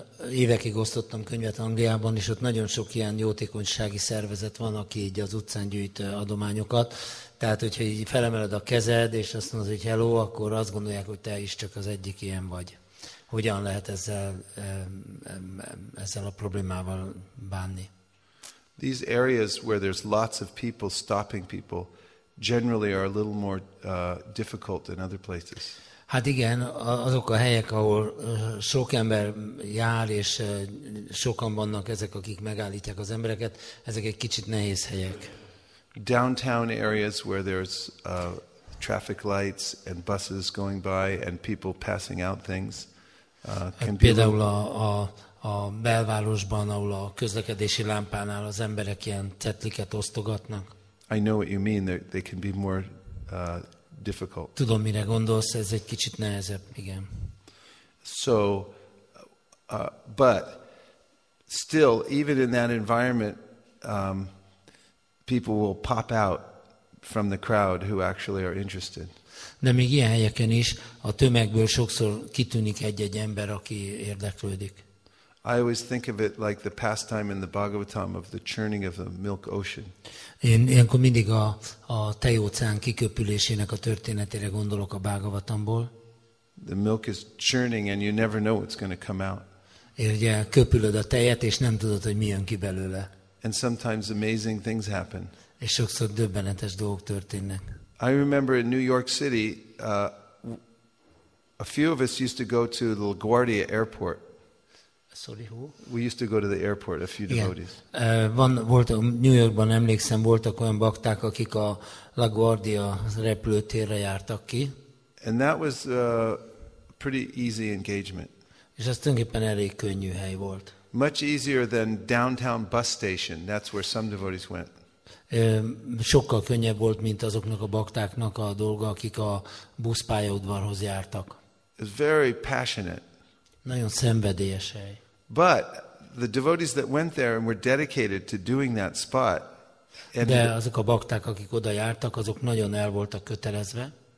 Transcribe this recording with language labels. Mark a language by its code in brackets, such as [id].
[hu] Évekig osztottam könyvet Angliában, és ott nagyon sok ilyen jótékonysági szervezet van, aki így az utcán gyűjt adományokat. Tehát, hogyha így felemeled a kezed, és azt mondod, hogy hello, akkor azt gondolják, hogy te is csak az egyik ilyen vagy. Hogyan lehet ezzel a problémával bánni? [en] These areas where there's lots of people stopping people generally are a little more difficult than other places. [hu] Hát igen, azok a helyek, ahol sok ember jár, és sokan vannak ezek, akik megállítják az embereket, ezek egy kicsit nehéz helyek. [en] Downtown areas where there's traffic lights and buses going by and people passing out things. [hu] Például a belvárosban, ahol a közlekedési lámpánál az emberek ilyen cetliket osztogatnak. [en] I know what you mean. They can be more difficult. [hu] Tudom, mire gondolsz, ez egy kicsit nehezebb, igen. [en] So, but still, even in that environment, people will pop out from the crowd who actually are interested. [hu] De még ilyen helyeken is a tömegből sokszor kitűnik egy-egy ember, aki érdeklődik. [en] I always think of it like the pastime in the Bhagavatam of the churning of the milk ocean. [hu] Én ilyenkor mindig a tejóceán kiköpülésének a történetére gondolok a Bhagavatamból. [en] The milk is churning and you never know what's going to come out. [hu] Ugye köpülöd a tejet és nem tudod, hogy mi jön ki belőle. [en] And sometimes amazing things happen. [hu] És sokszor döbbenetes dolgok történnek. [en] I remember in New York City, a few of us used to go to the LaGuardia Airport. Sorry, who? We used to go to the airport, a few devotees. [hu] New Yorkban emlékszem, voltak olyan bakták, akik a LaGuardia repülőtérre jártak ki. [en] And that was a pretty easy engagement. [hu] És ez tulajdonképpen elég könnyű hely volt. [en] Much easier than downtown bus station. That's where some devotees went. [hu] Sokkal könnyebb volt, mint azoknak a baktáknak a dolga, akik a buszpályaudvarhoz jártak. [en] It's very passionate. [hu] Nagyon szenvedélyes hely. [en] But the devotees that went there and were dedicated to doing that spot. [hu] De azok a bakták, akik oda jártak, azok nagyon el voltak kötelezve.